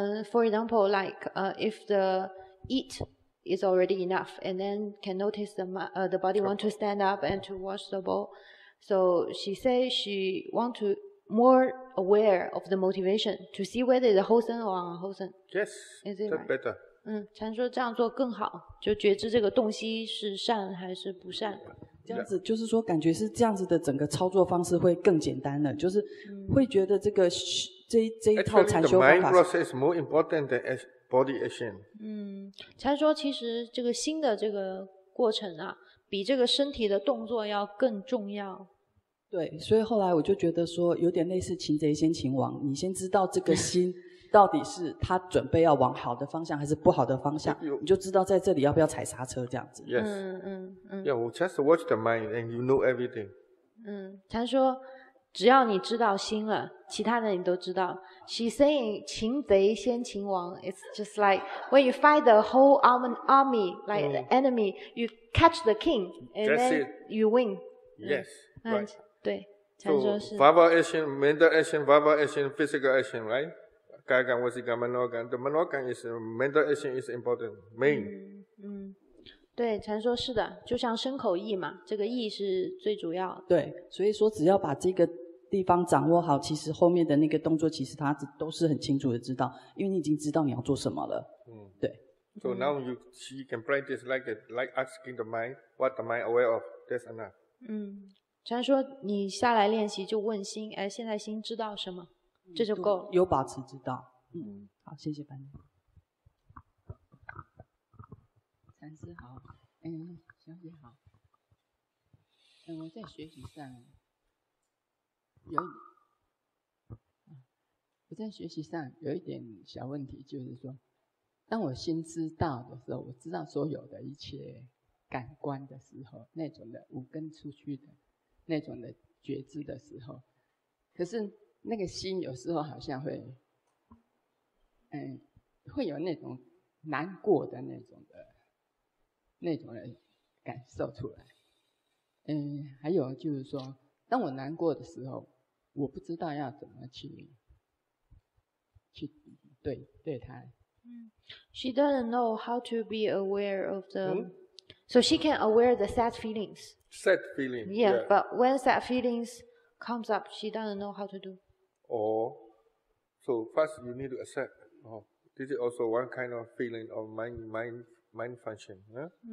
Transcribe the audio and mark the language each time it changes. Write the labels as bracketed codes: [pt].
[en] For example, like if the eat is already enough, and then can notice the body want to stand up and to wash the bowl. So she says she want to more aware of the motivation to see whether it's wholesome or unwholesome. Yes, is it right? Better. [zh] 禅说这样做更好，就觉知这个东西是善还是不善。这样子就是说感觉是这样子的整个操作方式会更简单了，就是会觉得这个这一套禅修方法。 [en] Actually, the mind process is more important than body action. [zh] 禅说其实这个心的这个过程啊，比这个身体的动作要更重要。对，所以后来我就觉得说有点类似擒贼先擒王，你先知道这个心到底是他准备要往好的方向还是不好的方向，你就知道在这里要不要踩刹车，这样子。 [en] Yes. Yeah, we just watch the mind and you know everything. [zh] 禅说只要你知道心了，其他的你都知道。 [en] She's saying [zh] 擒贼先擒王， [en] it's just like when you fight the whole army, like the enemy, you catch the king and then you win. Yes, right. [zh] 对，禅说是 [en] verbal action, mental action, verbal action, physical action, right? [pi] Kai Gan, Wasi Gan, Mano Gan. [en] The Mano Gan is mental action is important. Main. [zh] 对，禅说是的，就像身口意嘛，这个意是最主要的。对，所以说只要把这个地方掌握好，其实后面的那个动作，其实他都是很清楚的知道，因为你已经知道你要做什么了。对。 [en] So now you she can practice like asking the mind what the mind aware of. That's enough. [zh] 禅说你下来练习就问心，哎，现在心知道什么，这就够了，有保持知道。嗯，好，谢谢班长。禅师好。小姐好。我在学习上有，我在学习上有一点小问题，就是说当我心知道的时候，我知道所有的一切感官的时候，那种的五根出去的那种的觉知的时候，可是那个心有时候好像会会有那种难过的那种的感受出来。还有就是说当我难过的时候，我不知道要怎么去对他。 [en] She doesn't know how to be aware of the So she can aware the sad feelings. Sad feelings. Yeah, yeah, but when sad feelings comes up, she doesn't know how to do. Or, so first you need to accept. Oh, this is also one kind of feeling of mind function. Yeah?